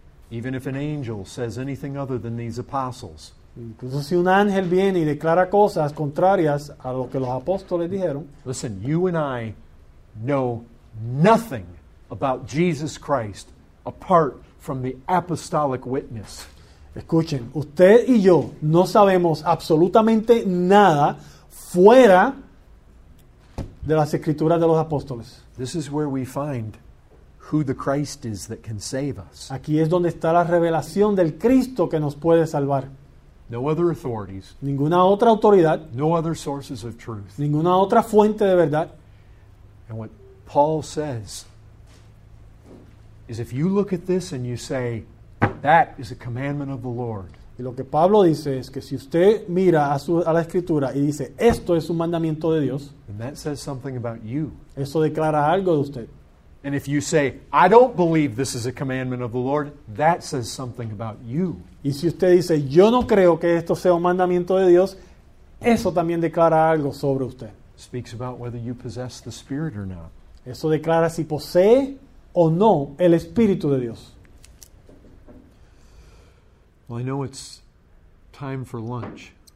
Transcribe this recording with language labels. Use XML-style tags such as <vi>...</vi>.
<en>Even if an angel says anything other than these apostles.</en> <es>Incluso si un ángel viene y declara cosas contrarias a lo que los apóstoles dijeron.</es> <en>Listen, you and I know nothing about Jesus Christ apart from the apostolic witness.</en> <es>Escuchen, usted y yo no sabemos absolutamente nada fuera de las Escrituras de los Apóstoles.</es> <en>This is where we find who the Christ is that can save us.</en> <es>Aquí es donde está la revelación del Cristo que nos puede salvar.</es> <en>No other authorities.</en> <es>Ninguna otra autoridad.</es> <en>No other sources of truth.</en> <es>Ninguna otra fuente de verdad.</es> <en>And what Paul says is if you look at this and you say, that is a commandment of the Lord.</en> <es>Y lo que Pablo dice es que si usted mira a la Escritura y dice, esto es un mandamiento de Dios.</es> <en>And that says something about you.</en> <es>Eso declara algo de usted.</es> <en>And if you say, I don't believe this is a commandment of the Lord, that says something about you.</en> <es>Y si usted dice, yo no creo que esto sea un mandamiento de Dios, eso también declara algo sobre usted.</es> <en>Speaks about whether you possess the Spirit or not.</en> <es>Eso declara si posee o no el Espíritu de Dios.</es> <en>Well, I know it's time for lunch.</en>